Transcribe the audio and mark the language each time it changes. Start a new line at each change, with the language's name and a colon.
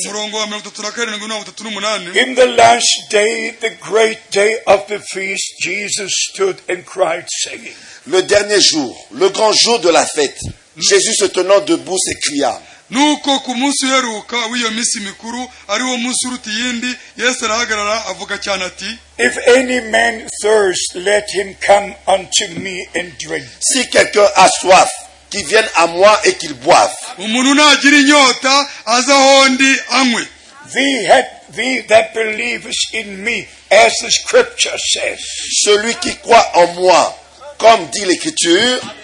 English: In the last day, the great day of the feast, Jesus stood and cried, saying.
French: Le dernier jour, le grand jour de la fête, Jésus se tenant debout s'écria.
Kinyarwanda: Nuko ku munsi uheruka w'iyo minsi mikuru ariwo munsi uruta iyindi Yesu arahagarara avuga cyane ati
English: If any man thirst, let him come unto me and drink.
French: Si quelqu'un a soif, qu'il vienne à moi et qu'il boive.
Kinyarwanda: Umuntu nagira inyota azahondi anwe.
English: Thee that believes in me, as the scripture says.
French: Celui qui croit en moi, comme dit l'écriture,